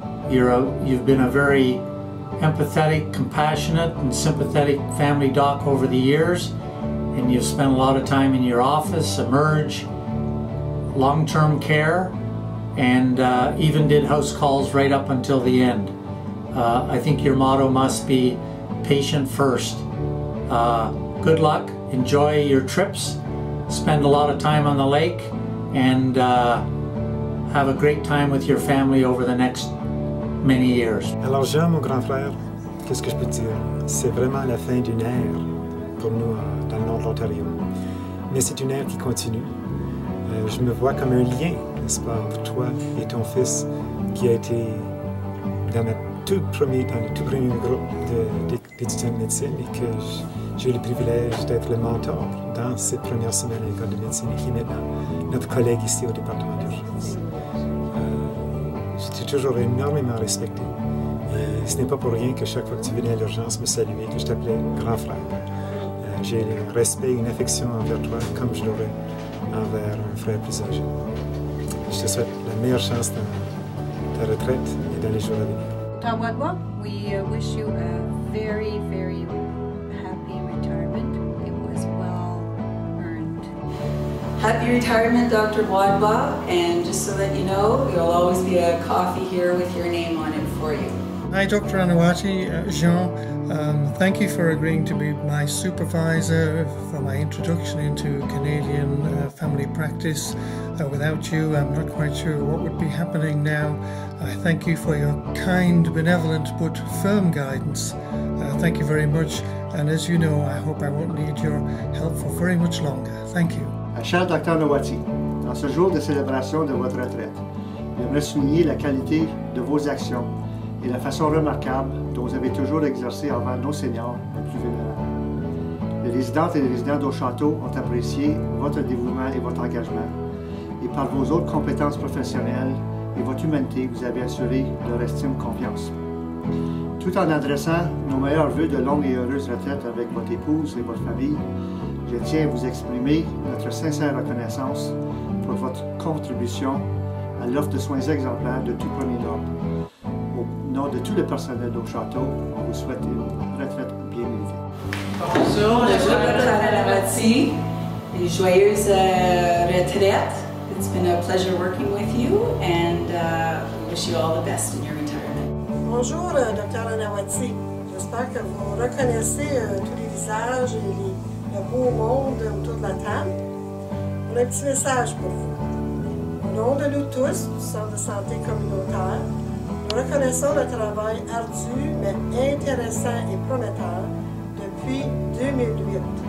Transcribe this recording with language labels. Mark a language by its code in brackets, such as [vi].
[en] You've been a very empathetic, compassionate, and sympathetic family doc over the years, and you've spent a lot of time in your office, Emerge, long-term care, and even did house calls right up until the end. I think your motto must be patient first. Good luck, enjoy your trips, spend a lot of time on the lake, and have a great time with your family over the next many years. [fr] Alors Jean, mon grand frère, qu'est-ce que je peux dire? C'est vraiment la fin d'une ère pour nous dans le nord de l'Ontario. Mais c'est une ère qui continue. Je me vois comme un lien, n'est-ce pas, entre toi et ton fils qui a été dans le tout premier groupe d'étudiants de médecine et que j'ai eu le privilège d'être le mentor dans cette première semaine à l'école de médecine et qui est maintenant notre collègue ici au département d'urgence. J'étais toujours énormément respecté. Et ce n'est pas pour rien que chaque fois que tu venais à l'urgence me saluer, que je t'appelais grand frère. J'ai le respect et une affection envers toi comme je l'aurais envers un frère plus âgé. Je te souhaite la meilleure chance dans ta retraite et dans les jours à venir. [en] Dr. Wadhwa, we wish you a very, very happy retirement. It was well earned. Happy retirement, Dr. Wadhwa, and just so that you know, there'll always be a coffee here with your name on it for you. Hi, Dr. Anawati, Jean. Thank you for agreeing to be my supervisor for my introduction into Canadian family practice. Without you, I'm not quite sure what would be happening now. I thank you for your kind, benevolent, but firm guidance. Thank you very much. And as you know, I hope I won't need your help for very much longer. Thank you. [fr] Cher Dr. Anawati, en ce jour de célébration de votre retraite, j'aimerais souligner la qualité de vos actions et la façon remarquable dont vous avez toujours exercé envers nos seniors les plus vulnérables. Les résidentes et les résidents d'Auchâteau ont apprécié votre dévouement et votre engagement. Et par vos autres compétences professionnelles et votre humanité, vous avez assuré leur estime confiance. Tout en adressant nos meilleurs vœux de longue et heureuse retraite avec votre épouse et votre famille, je tiens à vous exprimer notre sincère reconnaissance pour votre contribution à l'offre de soins exemplaires de tout premier ordre. Au nom de tout le personnel de château, on vous souhaite une retraite bien méritée. Bonjour, le Dr. Anawati, une joyeuse retraite. [en] It's been a pleasure working with you and we wish you all the best in your retirement. [fr] Bonjour, Dr. Anawati. J'espère que vous reconnaissez tous les visages et le beau monde autour de la table. On a un petit message pour vous. Au nom de nous tous, du Centre de santé communautaire, nous reconnaissons le travail ardu, mais intéressant et prometteur depuis 2008.